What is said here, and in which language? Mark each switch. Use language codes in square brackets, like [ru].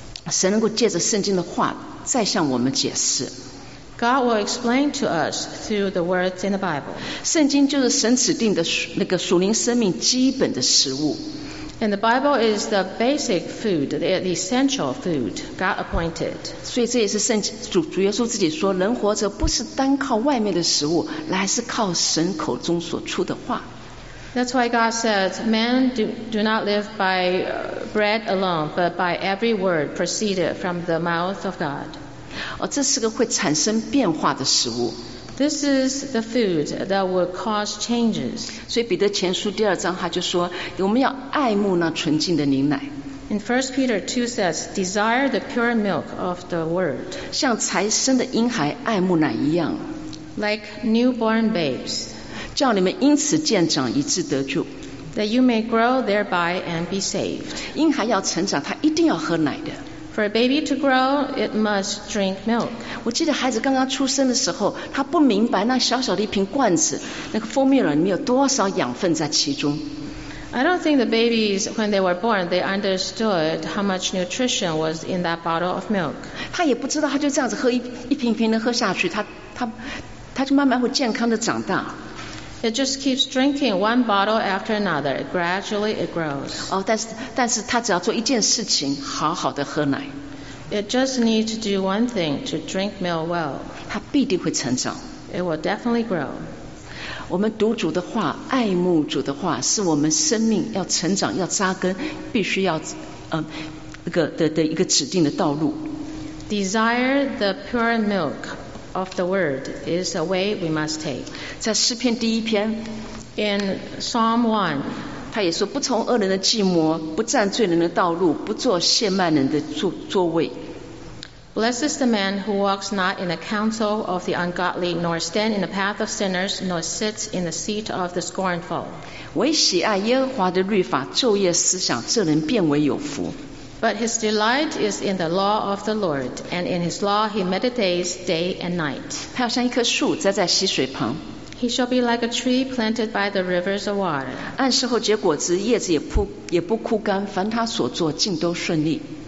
[zh] 神能够借着圣经的话再向我们解释。 [en] God will explain to us through the words in the Bible. [zh] 圣经就是神指定的那个属灵生命基本的食物。 [en] And the Bible is the basic food, the essential food God appointed. [zh] 所以这也是圣经主耶稣自己说，人活着不是单靠外面的食物，乃是靠神口中所出的话。 [en] That's why God says, "Men do not live by bread alone, but by every word proceeded from the mouth of God." [zh] 这是个会产生变化的食物。 [en] This is the food that will cause changes. [zh] 所以彼得前书第二章他就说，我们要爱慕那纯净的灵奶。 [en] In 1 Peter 2 says, desire the pure milk of the word. [zh] 像才生的婴孩爱慕奶一样。 [en] Like newborn babes. [zh] 叫你们因此渐长以致得救。 [en] That you may grow thereby and be saved. [zh] 婴孩要成长，他一定要喝奶的。 [en] For a baby to grow, it must drink milk. [zh] 我记得孩子刚刚出生的时候，他不明白那小小的一瓶罐子，那个 [en] formula [zh] 里面有多少养分在其中。 [en] I don't think the babies, when they were born, they understood how much nutrition was in that bottle of milk. [zh] 他也不知道，他就这样子喝一瓶瓶的喝下去，他就慢慢会健康的长大。 [en] It just keeps drinking one bottle after another. Gradually, it grows. [zh] 但是他只要做一件事情，好好的喝奶。 [en] It just needs to do one thing to drink milk well. [zh] 他必定会成长。 [en] It will definitely grow. [zh] 我们读主的话，爱慕主的话，是我们生命要成长、要扎根，必须要的一个指定的道路。 [en] Desire the pure milk. Of the word is a way we must take. [zh] 在诗篇第一篇 [en] ，In Psalm 1， [zh] 他也说不从恶人的计谋，不占罪人的道路，不坐亵慢人的座位。 [en] Blessed is the man who walks not in the counsel of the ungodly, nor stand in the path of sinners, nor sits in the seat of the scornful. [zh] 唯喜爱耶和华的律法，昼夜思想，这人变为有福。 [en] But his delight is in the law of the Lord, and in his law he meditates day and night. [zh] 他要像一棵树栽在溪水旁。 [en] He shall be like a tree planted by the rivers of water. [zh] 按时候结果子，叶子也不枯干，凡他所做尽都顺利。